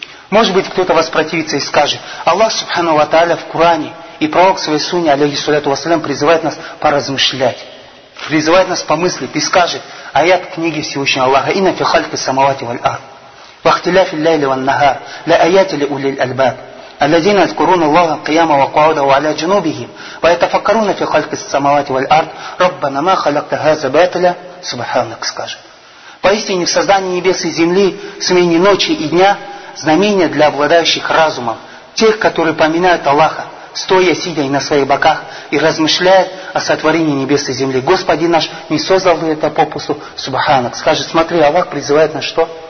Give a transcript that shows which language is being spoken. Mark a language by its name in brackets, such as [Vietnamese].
[Russian] Может быть, кто-то воспротивится и скажет: Аллах Субхану ва Тааля в Куране и пророк своей сунне, алейхиссаляту вассалям, призывает нас поразмышлять, призывает нас помыслить и скажет: аят книги Всевышнего Аллаха: [Arabic] «Инна фи халькис самавати валь ард, вахтиляфи ляйли ван нахар, ля аяти ли улиль альбаб». الذين يذكرون الله قياما وقعودا وعلى جنوبهم ويتفكرون في خلق السماوات والأرض ربنا ما خلقت هذا باطلا سبحانك [Russian] скажет. Поистине в создании небес и земли, смене ночи и дня знамения для обладающих разумом, тех, которые поминают Аллаха, стоя, сидя и на своих боках, и размышляя о сотворении небес и земли. Господи наш не создал бы это попусту, субханак. Скажет, смотри, Аллах призывает на что?